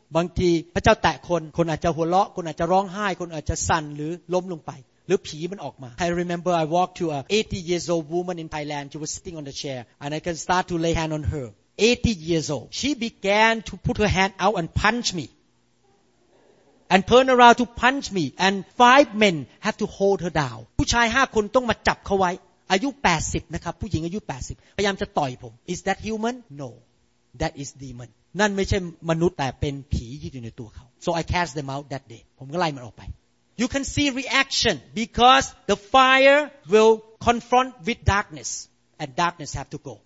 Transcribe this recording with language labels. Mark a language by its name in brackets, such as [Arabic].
[Thai] บางทีพระเจ้าแตะคนคนอาจจะหัวเราะคนอาจจะร้องไห้คนอาจจะสั่นหรือล้มลงไปหรือผีมันออกมา [English] I remember I walked to a 80 years old woman in Thailand. She was sitting on the chair, and I can start to lay hand on her. 80 years old. She began to put her hand out and punch me, and turn around to punch me. And five men have to hold her down. [Thai] ผู้ชาย5คนต้องมาจับเขาไว้อายุ80นะครับผู้หญิงอายุ80พยายามจะต่อยผม [English] Is that human? No. That is demon. [Thai] นั่นไม่ใช่มนุษย์แต่เป็นผีที่อยู่ในตัวเขา [English] So I cast them out that day. [Thai] ผมก็ไล่มันออกไป [English] You can see reaction because the fire will confront with darkness and darkness have to go.